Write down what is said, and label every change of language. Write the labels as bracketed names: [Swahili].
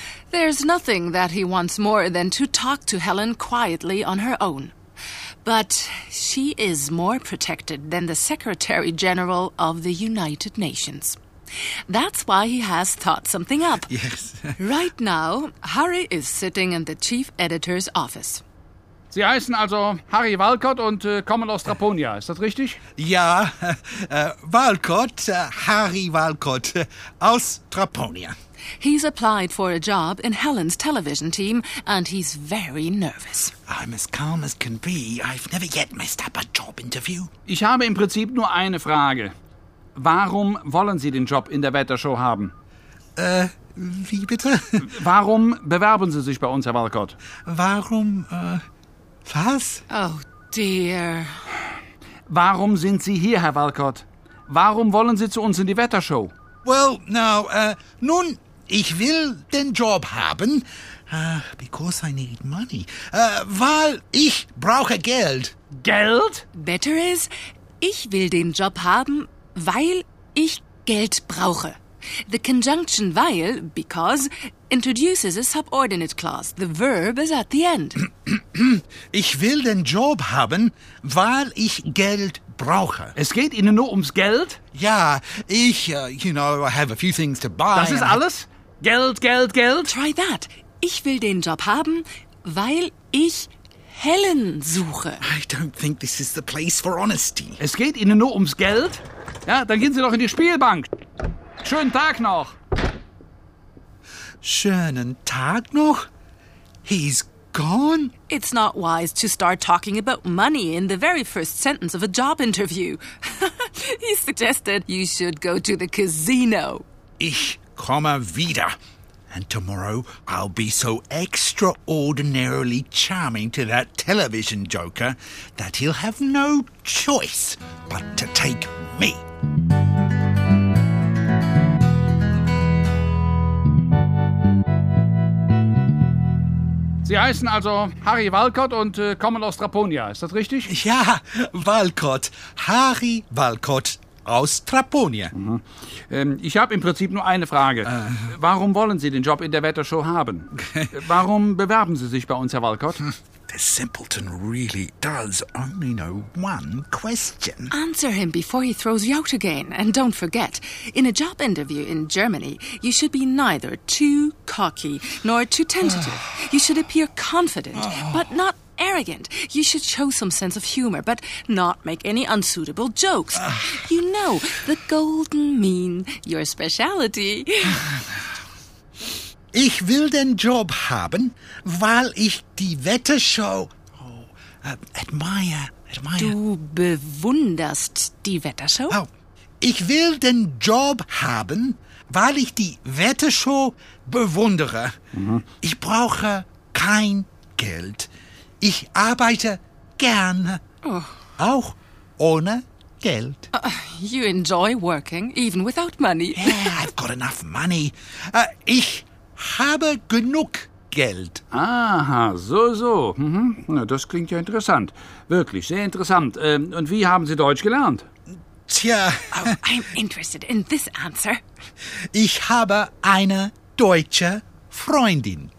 [English] There's nothing that he wants more than to talk to Helen quietly on her own. But she is more protected than the Secretary General of the United Nations. That's why he has thought something up. Yes. Right now, Harry is sitting in the chief editor's office. [German] Sie heißen also Harry Walcott und kommen aus Traponia, ist das richtig? Ja, Harry Walcott, aus Traponia. [English] He's applied for a job in Helen's television team and he's very nervous. I'm as calm as can be. I've never yet messed up a job interview. [German] Ich habe im Prinzip nur eine Frage. Warum wollen Sie den Job in der Wettershow haben? Wie bitte? Warum bewerben Sie sich bei uns, Herr Walcott? Warum, was? [English] Oh, dear. [German] Warum sind Sie hier, Herr Walcott? Warum wollen Sie zu uns in die Wettershow? [English] Well, now, [German] nun, ich will den Job haben, [English] because I need money. [German] Weil ich brauche Geld. Geld? [English] Better is, [German] ich will den Job haben, weil ich Geld brauche. [English] The conjunction weil, because, introduces a subordinate clause. The verb is at the end. [German] Ich will den Job haben, weil ich Geld brauche. Es geht Ihnen nur ums Geld? Ja, ich, [English] you know, I have a few things to buy. [German] Das ist alles? Geld, Geld, Geld? [English] Try that. [German] Ich will den Job haben, weil ich Helen suche. [English] I don't think this is the place for honesty. [German] Es geht Ihnen nur ums Geld? Ja, dann gehen Sie doch in die Spielbank. Schönen Tag noch. Schönen Tag noch? [English] He's gone? It's not wise to start talking about money in the very first sentence of a job interview. He suggested you should go to the casino. [German] Ich komme wieder. [English] And tomorrow I'll be so extraordinarily charming to that television joker that he'll have no choice but to take me. [German] Sie heißen also Harry Walcott und kommen aus Traponia, ist das richtig? Ja, Walcott. Harry Walcott aus Traponia. Mhm. Ich habe im Prinzip nur eine Frage. Warum wollen Sie den Job in der Wettershow haben? Warum bewerben Sie sich bei uns, Herr Walcott? [English] The simpleton really does only know one question. Answer him before he throws you out again. And don't forget, in a job interview in Germany, you should be neither too cocky nor too tentative. You should appear confident, but not arrogant. You should show some sense of humor, but not make any unsuitable jokes. You know, the golden mean, your speciality. [German] Ich will den Job haben, weil ich die Wettershow admire. Du bewunderst die Wettershow? Oh. Ich will den Job haben, weil ich die Wettershow bewundere. Mhm. Ich brauche kein Geld. Ich arbeite gerne. Oh. Auch ohne Geld. [English] You enjoy working, even without money. Yeah, I've got enough money. [German] Ich habe genug Geld. Aha, so, so. Mhm. Na, das klingt ja interessant. Wirklich, sehr interessant. Und wie haben Sie Deutsch gelernt? Tja. [English] Oh, I'm interested in this answer. [German] Ich habe eine deutsche Freundin.